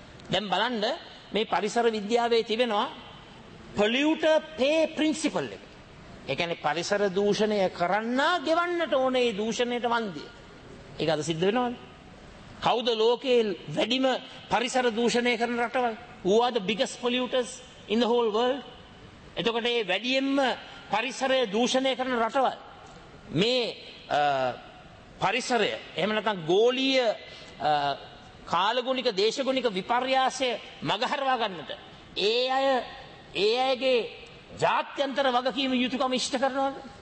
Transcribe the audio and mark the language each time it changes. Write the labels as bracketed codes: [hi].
[si] දැන් බලන්න මේ පරිසර විද්‍යාවේ තිබෙනවා pollute pay principle එක. ඒ කියන්නේ පරිසර දූෂණය කරන්නා ගෙවන්නට ඕනේ දූෂණයට වන්දිය. ඒක අද සිද්ධ වෙනවද? කවුද ලෝකයේ වැඩිම පරිසර දූෂණය කරන රටවල්? [en] Who are the biggest polluters in the whole world? [si] එතකොට මේ වැඩියෙන්ම පරිසරය දූෂණය කරන රටවල්, මේ පරිසරය එහෙම නැත්නම් ගෝලීය කාලගුණික දේශගුණික විපර්යාසය මගහරවා ගන්නට ඒ අයගේ ජාත්‍යන්තර වගකීම යුතුකම ඉෂ්ට කරනවද?